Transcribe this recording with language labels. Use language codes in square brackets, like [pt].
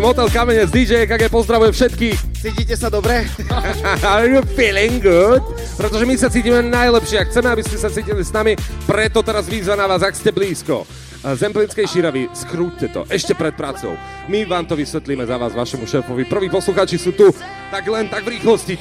[sk] Motel Kamenec, DJ EKG, pozdravuje všetky. Cítite sa dobre? [en] Are you feeling good? [sk] Pretože my sa cítime najlepšie a chceme, aby ste sa cítili s nami, preto teraz výzva na vás, ak ste blízko. Zemplínskej Šíravy, skrúďte to, ešte pred pracou. My vám to vysvetlíme za vás, vašemu šéfovi. Prví poslucháči sú tu, tak len tak v rýchlosti.